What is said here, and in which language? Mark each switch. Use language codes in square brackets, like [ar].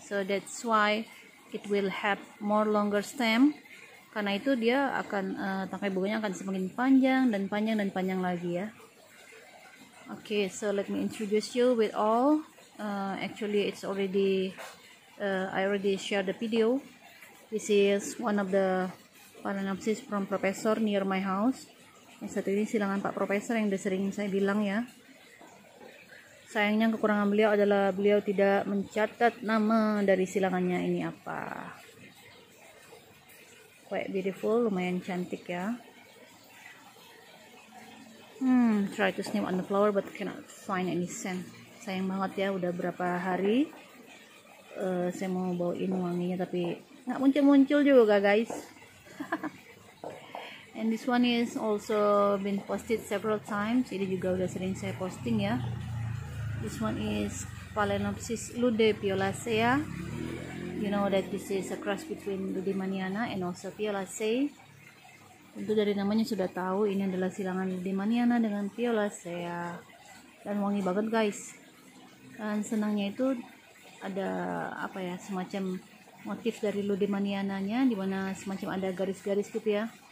[en] So that's why it will have more longer stem. [id] Karena itu dia akan tangkai bunganya akan semakin panjang dan panjang dan panjang lagi ya. [en] Okay, so let me introduce you with all. Actually, it's already I already share the video. This is one of the phalaenopsis from professor near my house. [id] Yang satu ini silangan Pak Profesor yang udah sering saya bilang ya. Sayangnya kekurangan beliau adalah beliau tidak mencatat nama dari silangannya ini apa. [en] Quite beautiful, [id] lumayan cantik ya. [en] Try to sniff on the flower but cannot find any scent. [id] Sayang banget ya, udah berapa hari saya mau bawain wanginya tapi nggak muncul-muncul juga guys. [en] And this one is also been posted several times. [id] Ini juga udah sering saya posting ya. [en] This one is Phalaenopsis lude violacea. You know that this is a cross between Ludemanniana and also Violaceae. [id] Tentu dari namanya sudah tahu ini adalah silangan Ludemanniana dengan Violaceae. Dan wangi banget guys. Dan senangnya itu ada apa ya, semacam motif dari Ludemanniananya di mana semacam ada garis-garis gitu ya.